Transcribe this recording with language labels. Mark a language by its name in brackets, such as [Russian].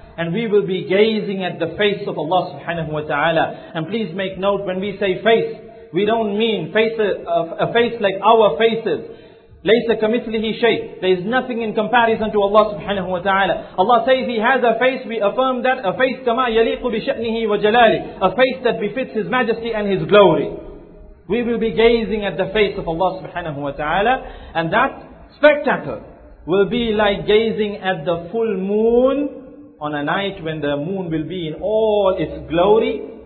[English] And we will be gazing at the face of Allah subhanahu wa ta'ala. And please make note, when we say face, we don't mean a face like our faces. [Arabic] لَيْسَ كَمِثْلِهِ شَيْءٍ. [English] There is nothing in comparison to Allah subhanahu wa ta'ala. Allah says He has a face, we affirm that. A face [Arabic] كَمَا يَلِيقُ بِشَأْنِهِ وَجَلَالِهِ. [English] A face that befits His majesty and His glory. We will be gazing at the face of Allah subhanahu wa ta'ala. And that spectacle will be like gazing at the full moon on a night when the moon will be in all its glory.